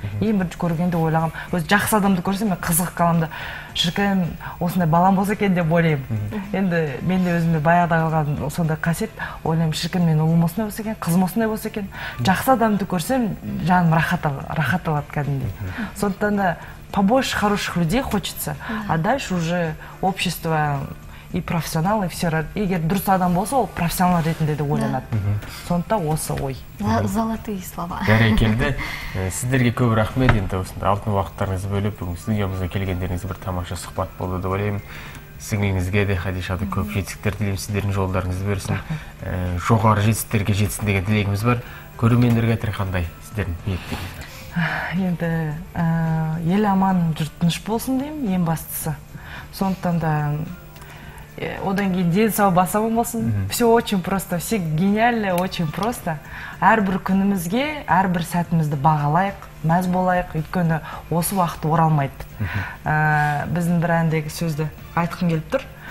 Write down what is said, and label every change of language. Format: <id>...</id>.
<kk>Ең бірінші көргенде ойлағам, өзі жақсы адамды көрсем, мен қызық қаламды. Шіркін осындай балам болса екен деп ойлаймын. Енді мен де өзімде баяғыда қалған сондай қасиет, ойлаймын, шіркін мен ұлым осындай болса екен, қызым осындай болса екен. Жақсы адамды көрсем, жаным рахат алады кәдімгідей.</kk> <ru>Сондықтан да побольше хороших людей хочется, а дальше уже общество и профессионал, и все.</ru> <kk>Егер дұрыс адам болса, ол профессионал ретінде де ойланады. Сондықтан осы ой.</kk> <ru>Золотые слова.</ru> <kk>Бәрекелді. Сіздерге көп рахмет, енді осында алтын уақыттарыңызды бөліп, бүгін студиямызға келгендеріңізге бір тамаша сұхбат болды деп ойлаймын. Сіңліңізге де, Хадишада, көп жетістіктер тілеймін, сіздердің жолдарыңызды берсін. Жоғары жетістіктерге жетсін деген тілегіміз бар. Көрермендерге айтар қандай сіздердің ниеттеріңіз? Енді ел аман, жұрт тыныш болсын деймін, ең бастысы. Сондықтан да одан кейін денсау басамын болсын.</kk> <ru>Все очень просто, все гениально, очень просто.</ru> <kk>Әрбір күнімізге, әрбір сәтімізді бағалайық, мәз болайық, өйткені осы уақыт оралмайды. Біздің бір әндегі сөзді айтқым келіп тұр.</kk>